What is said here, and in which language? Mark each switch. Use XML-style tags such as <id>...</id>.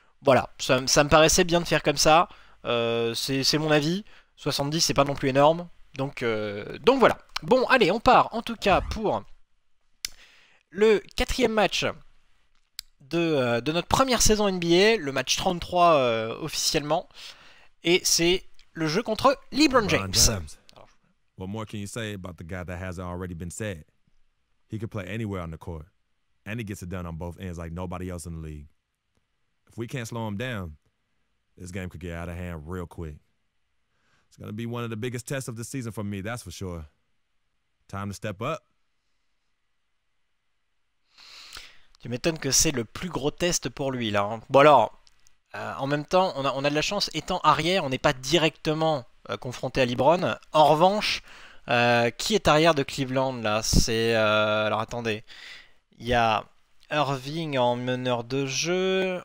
<fr>Voilà, ça me paraissait bien de faire comme ça. C'est mon avis. 70, c'est pas non plus énorme. Donc voilà. Bon, allez, on part en tout cas pour le quatrième match de notre première saison NBA, le match 33 officiellement. Et c'est le jeu contre LeBron James.</fr> <en>LeBron James. What more can you say about the guy that hasn't already been said? He could play anywhere on the court, and he gets it done on both ends like nobody else in the league. If we can't slow him down, this game could get out of hand real quick. It's going to be one of the biggest tests of the season for me, that's for sure. Time to step up.</en> <fr>Tu m'étonnes que c'est le plus gros test pour lui, là. Bon alors, en même temps, on a de la chance, étant arrière, on n'est pas directement confronté à LeBron. En revanche, qui est arrière de Cleveland, là? C'est... alors attendez. Il y a Irving en meneur de jeu.</fr>